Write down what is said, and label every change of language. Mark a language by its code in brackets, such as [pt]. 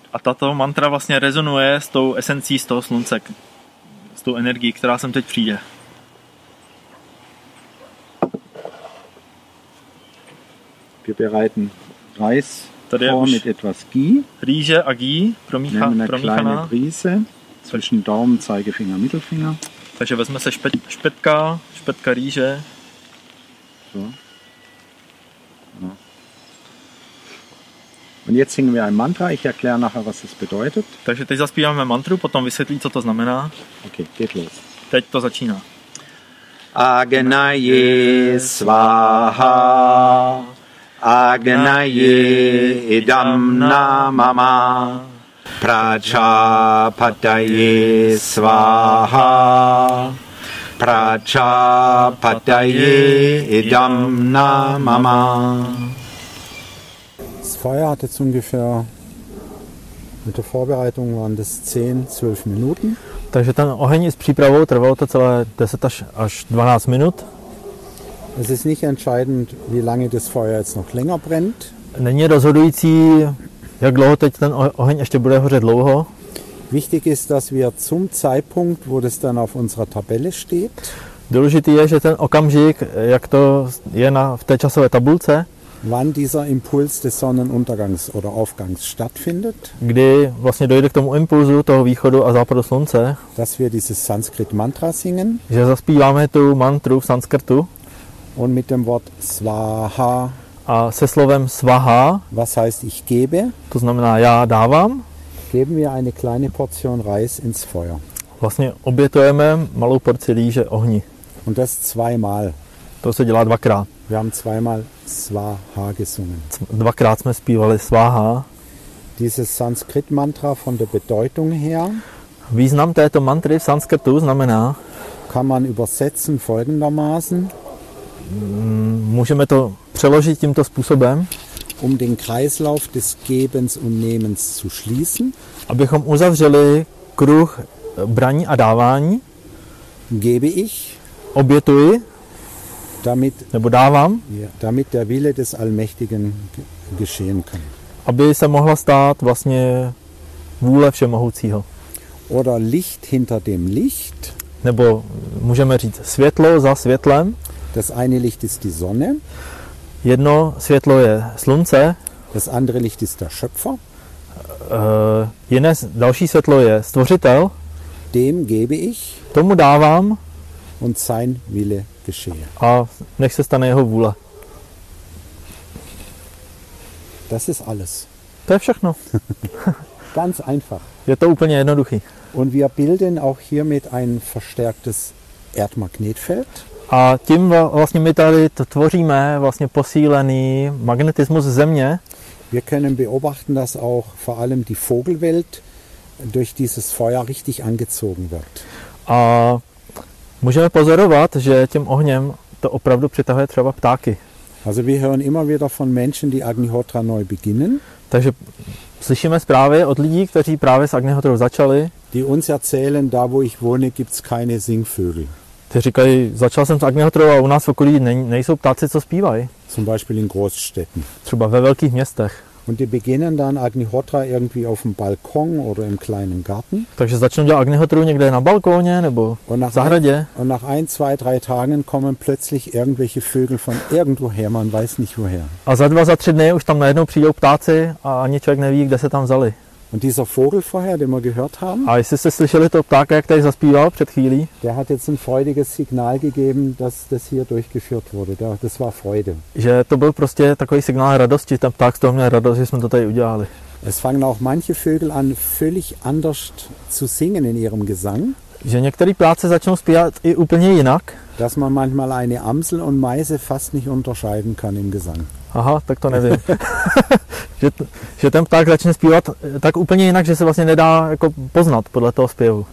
[cs] A tato mantra vlastně rezonuje s tou esencí z toho slunce, s tou energií, která sem teď přijde. [de] Wir bereiten Reis vor mit etwas Ghee. [cs] Rýže a ghee promíchaná. [de] Nehmen eine kleine Prise zwischen Daumen, Zeigefinger, Mittelfinger. [cs] Takže vezme se špetka rýže. [de] So. Ja. Und jetzt singen wir ein Mantra. Ich erkläre nachher, was das bedeutet. [cs] Takže teď zaspíváme mantru, potom vysvětlí, co to znamená. [de] Okay, geht los. [cs] Teď to začíná. [sa] Agnaye Svaha. Agnaye idam namama prachapataye svaha prachapataye idam namama. [de] Das Feuer hat jetzt ungefähr mit der Vorbereitung waren das 10-12 Minuten. [cs] Takže ten oheň s přípravou trvalo to celé 10 až 12 minut. [de] Es ist nicht entscheidend, wie lange das Feuer jetzt noch länger brennt. [cs] Není rozhodující, jak dlouho teď ten oheň ještě bude hořet dlouho. [de] Wichtig ist, dass wir zum Zeitpunkt, wo das dann auf unserer Tabelle steht. [cs] Důležitý je, že ten okamžik, jak to je na v té časové tabulce. [de] Wann dieser Impuls des Sonnenuntergangs oder Aufgangs stattfindet? [cs] Kdy vlastně dojde k tomu impulzu toho východu a západu slunce? [de] Dass wir dieses Sanskrit Mantra singen. [cs] Že zaspíváme tu mantru v sanskrtu. [de] Und mit dem Wort Svaha. [cs] A se slovem Svaha. [de] Was heißt ich gebe? [cs] To znamená já dávám. [de] Geben wir eine kleine Portion Reis ins Feuer. [cs] Vlastně obětujeme malou porci rýže ohni. [de] Und das zweimal. [cs] To se dělá dvakrát. [de] Wir haben zweimal Svaha gesungen. [cs] Dvakrát jsme zpívali Svaha. [de] Dieses Sanskrit Mantra von der Bedeutung her. [cs] Význam této mantry v sanskrtu znamená. [de] Kann man übersetzen folgendermaßen. [cs] Můžeme to přeložit tímto způsobem. [de] Um den Kreislauf des Gebens und Nehmens zu schließen. [cs] Abychom uzavřeli kruh braní a dávání. [de] gebe ich, [cs] obětuji, [de] damit, [cs] nebo dávám, [de] ja, damit der Wille des Allmächtigen geschehen kann. [cs] Aby se mohla stát vlastně vůle všemohoucího. [de] Oder Licht hinter dem Licht. [cs] Nebo můžeme říct světlo za světlem. [de] Das eine Licht ist die Sonne. [cs] Jedno světlo je slunce. [de] Das andere Licht ist der Schöpfer. [cs] Jiné, další světlo je stvořitel. [de] Dem gebe ich. [cs] Tomu dávám. [de] Und sein Wille geschehe. [cs] A nech se stane jeho vůle. [de] Das ist alles. [cs] To je všechno. [de] Ganz einfach. [cs] Je to úplně jednoduchý. [de] Und wir bilden auch hiermit ein verstärktes Erdmagnetfeld. [cs] A tím vlastně my tady tvoříme vlastně posílený magnetismus země. [de] Wir können beobachten, dass auch vor allem die Vogelwelt durch dieses Feuer richtig angezogen wird. [cs] A můžeme pozorovat, že tím ohněm to opravdu přitahuje třeba ptáky. [de] Also wir hören immer wieder von Menschen, die Agnihotra neu beginnen. [cs] Takže slyšíme zprávy od lidí, kteří právě s Agnihotrou začali. [de] Die uns erzählen, da wo ich wohne, gibt's keine Singvögel. [cs] Ty říkají, začal jsem s Agnihotrou a u nás v okolí nejsou ptáci, co zpívají. [de] Zum Beispiel in Großstädten. [cs] Třeba ve velkých městech. [de] Und die beginnen dann Agnihotra irgendwie auf dem Balkon oder im kleinen Garten. [cs] Takže začnou dělat Agnihotru někde na balkóně nebo v zahradě. [de] Und nach ein, zwei, drei Tagen kommen plötzlich irgendwelche Vögel von irgendwoher, man weiß nicht woher. [cs] A za dva, za tři dny už tam najednou přijdou ptáci a ani člověk neví, kde se tam vzali. [de] Und dieser Vogel vorher, den wir gehört haben? [cs] A jestli jste slyšeli toho ptáka, jak tady zaspíval před chvílí? [de] Der hat jetzt ein freudiges Signal gegeben, dass das hier durchgeführt wurde. Das war Freude. [cs] Že to byl prostě takový signál radosti, ten pták z toho měl radost, že jsme to tady udělali. [de] Es fangen auch manche Vögel an, völlig anders zu singen in ihrem Gesang. [cs] Že některé ptáce začnou zpívat i úplně jinak. [de] Dass man manchmal eine Amsel und Meise fast nicht unterscheiden kann im Gesang. [cs] Aha, tak to nevím. že ten pták začne zpívat tak úplně jinak, že se vlastně nedá jako poznat podle toho zpěvu.